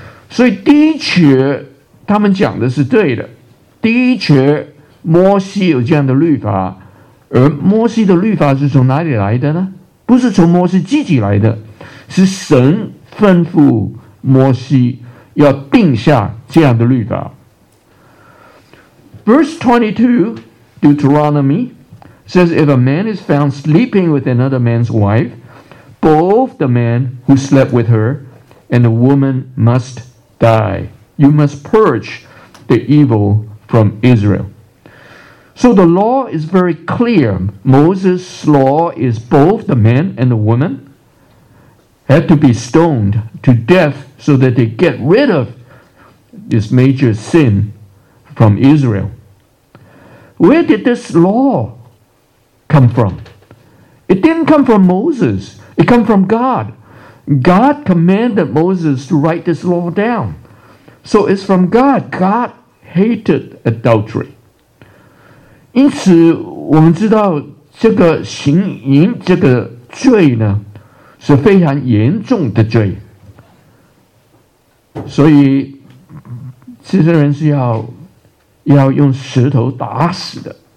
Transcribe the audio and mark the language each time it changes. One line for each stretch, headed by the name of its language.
Chinese: 所以第一节他们讲的是对的，第一节摩西有这样的律法，而摩西的律法是从哪里来的呢？不是从摩西自己来的，是神吩咐摩西要定下这样的律法。
English: Verse 22, Deuteronomy, says, if a man is found sleeping with another man's wife, both the man who slept with her and the woman must die. You must purge the evil from Israel. So the law is very clear. Moses' law is both the man and the woman had to be stoned to death so that they get rid of this major sin from Israel. Where did this law come from? It didn't come from Moses. It came from God. God commanded Moses to write this law down. So it's from God. God hated adultery.
Chinese: 因此我们知道这个行淫这个罪呢是非常严重的罪，所以这些人是要用石头打死的。